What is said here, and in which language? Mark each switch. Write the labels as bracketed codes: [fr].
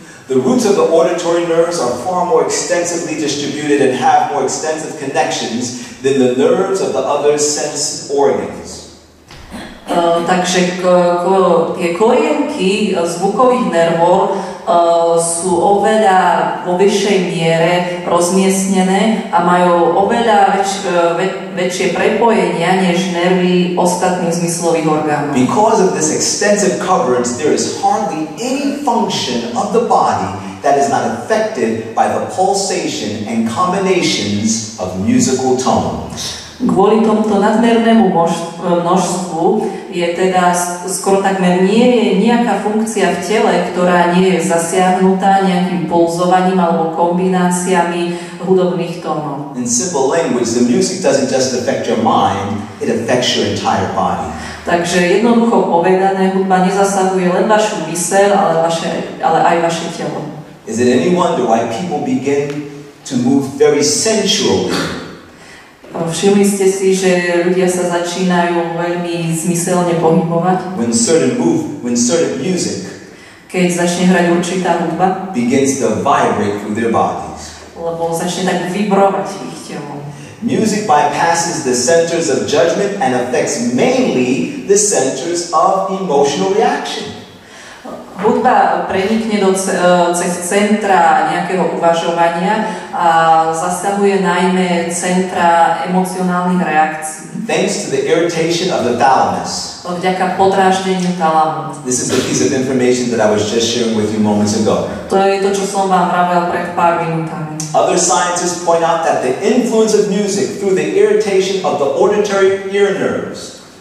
[en] The roots of the auditory nerves are far more extensively distributed and have more extensive connections than the nerves of the other sense organs. [sk] Takže tie kojenky zvukových nervov sú oveľa vo vyššej miere rozmiestnené a majú oveľa väčšie prepojenia než nervy ostatných zmyslových orgánov. [en] Because of this extensive coverage, there is hardly any function of the body that is not affected by the pulsation and combinations of musical tones. [sk] Kvôli tomuto nadmernému množstvu je teda skoro takmer nie je nejaká funkcia v tele, ktorá nie je zasiahnutá nejakým pulzovaním alebo kombináciami hudobných tónov. [en] In simple language, the music doesn't just affect your mind, it affects your entire body. [sk] Takže jednoducho povedané, hudba nezasahuje len vašu myseľ, ale aj vaše telo. [en] Is it any wonder why people begin to move very sensually? [sk] Všimli ste si, že ľudia sa začínajú veľmi zmyselne pohybovať? [en] When certain music [sk] keď začne hrať určitá hudba, [en] begins to vibrate through their bodies. [sk] Lebo začne tak vibrovať ich telo. [en] Music bypasses the centers of judgment and affects mainly the centers of emotional reaction. [sk] Hudba prenikne cez centra nejakého uvažovania a zasahuje najmä centra emocionálnych reakcií. [en] Thanks to the irritation of the thalamus. [sk] Vďaka podráždeniu thalamus. [en] This is the piece of information that I was just sharing with you moments ago. [sk] To je to, čo som vám vravel pred pár minútami. [en] Other scientists point out that the influence of music through the irritation of the auditory ear nerves.